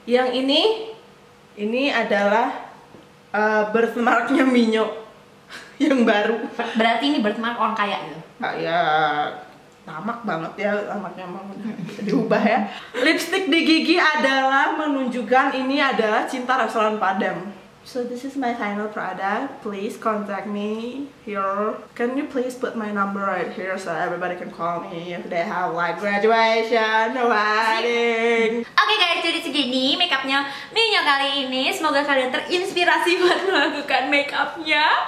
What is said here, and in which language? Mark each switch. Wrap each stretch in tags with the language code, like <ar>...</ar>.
<id>Yang ini adalah birthmarknya Minyo yang baru. Berarti ini birthmark orang kaya gitu. Kaya. Tamak banget ya, tamaknya emang bisa diubah ya. Lipstick di gigi adalah menunjukkan ini adalah cinta restoran Padang.</id> <en>So this is my final product, please contact me here. Can you please put my number right here so everybody can call me if they have like graduation or wedding.</en> <id>Oke okay guys, jadi segini makeupnya Minyo kali ini. Semoga kalian terinspirasi buat melakukan makeupnya.</id>